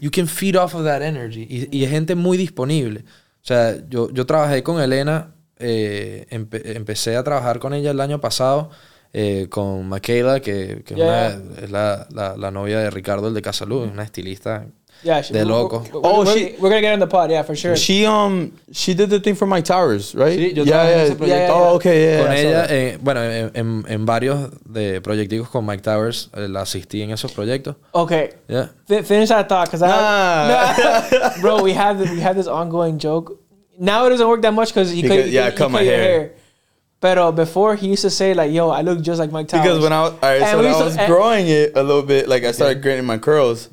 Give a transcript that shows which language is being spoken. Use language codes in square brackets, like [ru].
[en] You can feed off of that energy. [es] Y es gente muy disponible. O sea, yo trabajé con Elena... empecé a trabajar con ella el año pasado con Michaela, que es la novia de Ricardo, el de Casalú, una estilista de loco. [en] We're gonna get in the pod, yeah, for sure. She did the thing for Mike Towers, right? [es] En varios de proyectos con Mike Towers la asistí en esos proyectos. [en] Okay. Yeah. Finish that thought, because bro, we had this ongoing joke. Now it doesn't work that much because he cut my hair. [es] Pero [en] before, he used to say, like, yo, I look just like Mike Towers. Because when I was growing it a little bit, like, I started grinding my curls.